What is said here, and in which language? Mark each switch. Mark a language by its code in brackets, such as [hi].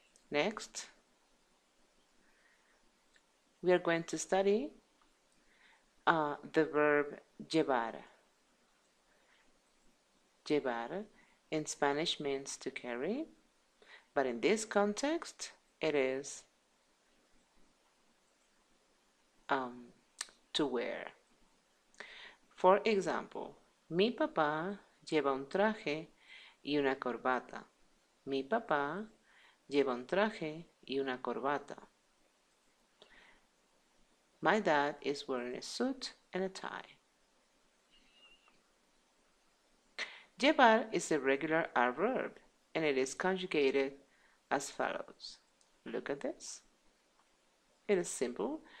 [en] Next, we are going to study the verb llevar. Llevar in Spanish means to carry, but in this context, it is to wear. For example, [es] mi papá lleva un traje y una corbata. Mi papá lleva un traje y una corbata. [en] My dad is wearing a suit and a tie. Llevar is a regular adverb and it is conjugated as follows. Look at this. It is simple.